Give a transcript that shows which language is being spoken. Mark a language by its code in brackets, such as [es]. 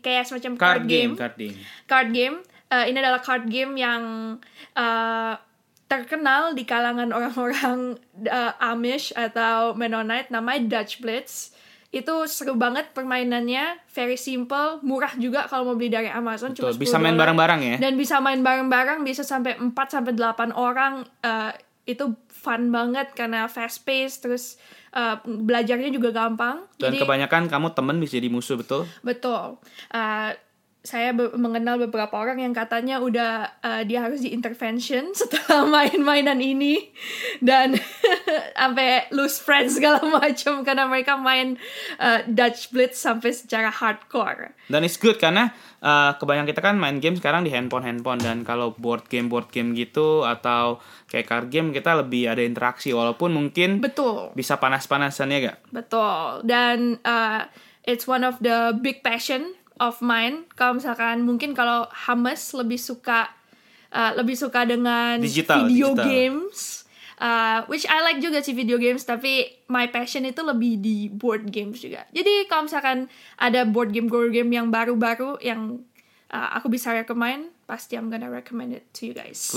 [id] Kayak semacam card game. Ini adalah card game yang terkenal di kalangan orang-orang Amish atau Mennonite. Namanya Dutch Blitz. Itu seru banget permainannya, [en] very simple, [id] murah juga kalau mau beli dari Amazon. Betul, cuma bisa main bareng-bareng ya. Dan bisa main bareng-bareng, bisa sampai 4 sampai 8 orang. Itu fun banget karena fast pace, terus belajarnya juga gampang. Dan jadi, kebanyakan kamu teman bisa jadi musuh, betul? Betul. Saya mengenal beberapa orang yang katanya udah dia harus di intervention setelah main-mainan ini. Dan sampai [en] lose friends [id] segala macam karena mereka main Dutch Blitz sampai secara hardcore. Dan [en] it's good [id] karena kebanyakan kita kan main game sekarang di handphone-handphone. Dan kalau board game gitu atau kayak card game kita lebih ada interaksi. Walaupun mungkin betul bisa panas-panasan ya gak? Betul. [en] Dan it's one of the big passion of mine. [id] Kalau misalkan mungkin kalau Hames lebih suka dengan [en] digital, games, which I like [id] juga sih [en] video games, [id] tapi [en] my passion [id] itu lebih di [en] board games juga. [id] Jadi kalau misalkan ada board game yang baru-baru yang aku bisa recommend, pasti [en] I'm gonna recommend it to you guys.